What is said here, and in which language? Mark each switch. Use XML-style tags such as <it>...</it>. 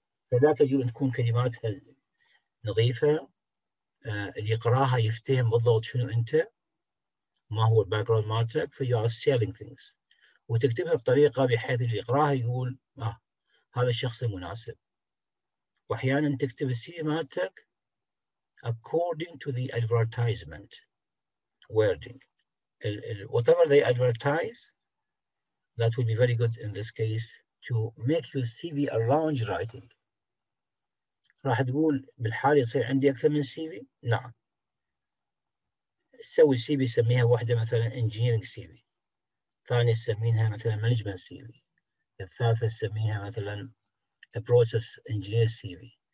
<ar>فلا تجب أن تكون كلماتها نظيفة، اللي يقراها يفتهم بالضبط شنو أنت، ما هو الباك جراوند مالتك، ف</ar> <en>you are selling things،</en> <ar>وتكتبها بطريقة بحيث اللي يقراها يقول هذا الشخص المناسب. وأحيانا تكتب السي في مالتك</ar> <en>according to the advertisement wording، whatever they advertise that will be very good in this case to make your CV a lounge writing.</en> <ar>راح تقول بالحال يصير عندي أكثر من CV؟ نعم، سوي CV سميها واحدة مثلا engineering CV، ثانية سمينها مثلا management CV، الثالثة سميها مثلا process engineer CV.</ar>